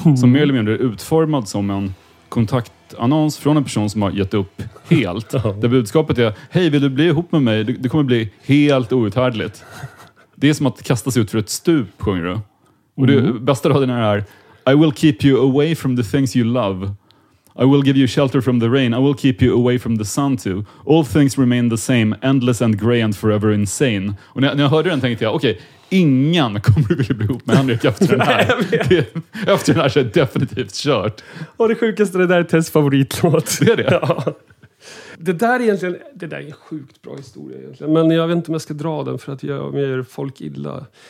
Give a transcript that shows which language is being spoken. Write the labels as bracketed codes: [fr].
[sv] Som mer eller mindre är utformad som en kontaktannons från en person som har gett upp helt. Där budskapet är, hej, vill du bli ihop med mig? Det kommer bli helt outhärdligt. Det är som att kasta sig ut för ett stup, sjunger du. Och det bästa raden är här, [en] I will keep you away from the things you love. I will give you shelter from the rain. I will keep you away from the sun too. All things remain the same. Endless and grey and forever insane. [sv] Och när jag hörde den tänkte jag, okej, ingen kommer vilja bli ihop med Henrik efter den här. Efter den här så är det definitivt kört. Och det sjukaste, det där är Tess favoritlåt. Det är det? Ja. Det där är egentligen, det där är en sjukt bra historia egentligen. Men jag vet inte om jag ska dra den för att jag gör folk illa.